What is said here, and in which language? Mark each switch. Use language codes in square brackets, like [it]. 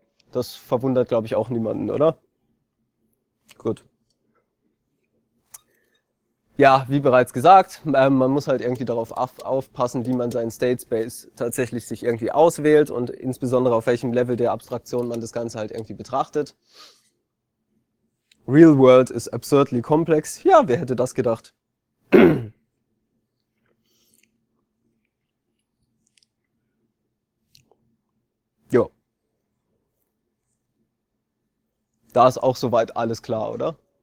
[de] Das verwundert, glaube ich, auch niemanden, oder? Gut. Ja, wie bereits gesagt, man muss halt irgendwie darauf aufpassen, wie man seinen State Space tatsächlich sich irgendwie auswählt und insbesondere auf welchem Level der Abstraktion man das Ganze halt irgendwie betrachtet. [en] Real World is absurdly complex. [de] Ja, wer hätte das gedacht? Jo. Da ist auch soweit alles klar, oder?